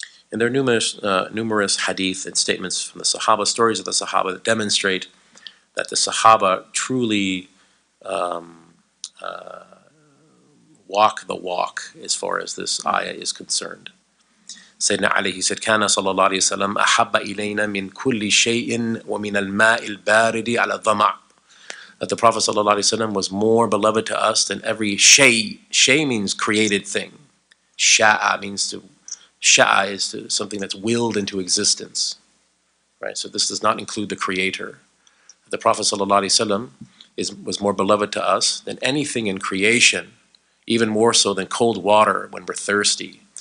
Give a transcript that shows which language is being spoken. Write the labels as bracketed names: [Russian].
[English] And there are numerous hadith and statements from the Sahaba, stories of the Sahaba that demonstrate that the Sahaba truly walk the walk as far as this ayah is concerned. Sayyidina Ali, he said, [Arabic] كَانَ صَلَى اللَّهُ عَلَيْهِ وَسَلَّمَ أَحَبَّ إِلَيْنَا مِنْ كُلِّ شَيْءٍ وَمِنَ الْمَاءِ الْبَارِدِ عَلَى الظَّمَعِ. [English] That the Prophet ﷺ was more beloved to us than every shay. Shay means created thing. Sha'a means to, sha'a is to something that's willed into existence. Right? So this does not include the creator. The Prophet ﷺ was more beloved to us than anything in creation, even more so than cold water when we're thirsty.